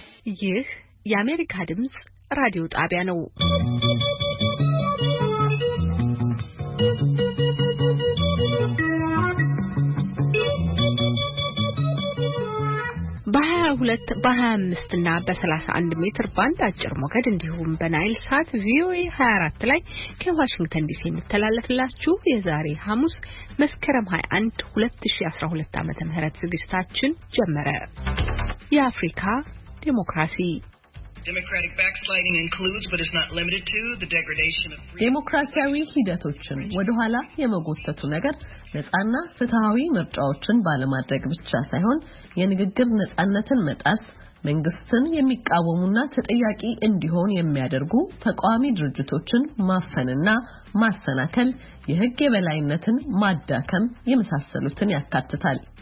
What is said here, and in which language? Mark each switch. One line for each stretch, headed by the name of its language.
Amharic: ይህ የአሜሪካ ድምጽ ራዲዮ ጣቢያ ነው። በ22 በ25 እና በ31 ሜትር ባንድ አጭር ሞገድ እንዲሁም በናይል ሳት ቪኦኤ 24 ላይ ከዋሽንግተን ዲሲ የሚተላለፍላችሁ የዛሬ ሐሙስ መስከረም 21 2012 ዓመተ ምህረት ዝግጅታችን ጀመረ። የአፍሪካ ዲሞክራሲ
English: Democratic backsliding includes but is not limited to the degradation of free
Amharic: ዲሞክራሲያዊ ሂደቶችን ወደ ኋላ የመጎተቱ ነገር ነጻና ፍትሃዊ ምርጫዎችን ባለማድረግ ብቻ ሳይሆን የንግግር ነጻነትን መጣስ መንግስትን የሚቃወሙና ተጠያቂ እንዲሆን የሚያደርጉ ተቃዋሚ ድርጅቶችን ማፈንና ማሰናከል የሕግ የበላይነትን ማዳከም የመሳሰሉትን ያካትታል።